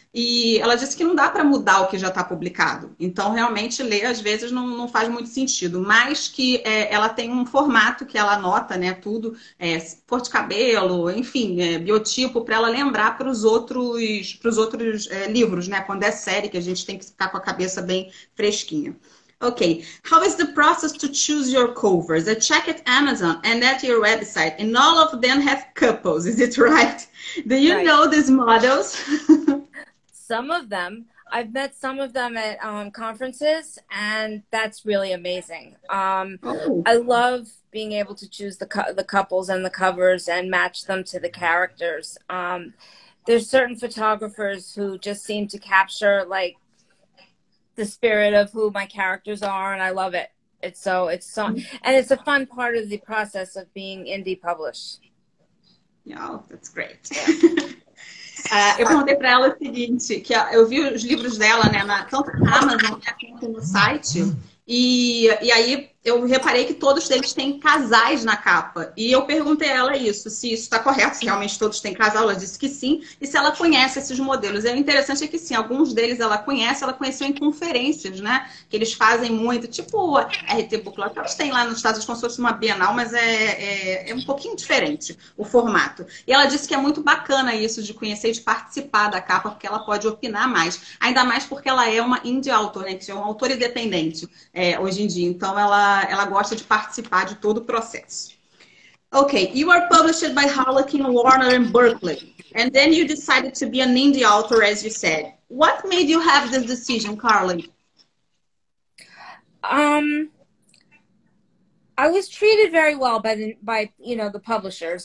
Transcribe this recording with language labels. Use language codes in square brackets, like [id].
[pt] E ela disse que não dá para mudar o que já está publicado. Então, realmente, ler às vezes não faz muito sentido. Mas que ela tem um formato que ela anota, né? Tudo, cor de cabelo, enfim, biotipo, para ela lembrar para os outros livros, né? Quando é série, que a gente tem que ficar com a cabeça bem fresquinha. [en] Okay, how is the process to choose your covers? I check at Amazon and at your website, and all of them have couples. Is it right? Do you Right. know these models? Some of them, I've met some of them at conferences, and that's really amazing. I love being able to choose the couples and the covers and match them to the characters. There's certain photographers who just seem to capture like the spirit of who my characters are, and I love it. And it's a fun part of the process of being indie published. Oh, that's great. Yeah. [pt] Eu perguntei para ela o seguinte, que eu vi os livros dela, né, tanto na Amazon quanto no site, e aí eu reparei que todos eles têm casais na capa. E eu perguntei a ela isso, se isso está correto, se realmente todos têm casal. Ela disse que sim, e se ela conhece esses modelos. E o interessante é que sim, alguns deles ela conheceu em conferências, né? Que eles fazem muito, tipo a RT Book Club, que eles têm lá nos Estados Unidos, como se fosse uma bienal, mas é um pouquinho diferente o formato. E ela disse que é muito bacana isso de conhecer e de participar da capa, porque ela pode opinar mais. Ainda mais porque ela é uma indie author, né? Que é um autor independente, hoje em dia. Então ela gosta de participar de todo o processo. [en] Okay, you are published by Harlequin Warner and Berkeley, and then you decided to be an indie author, as you said. What made you have this decision, Carly? I was treated very well by the publishers.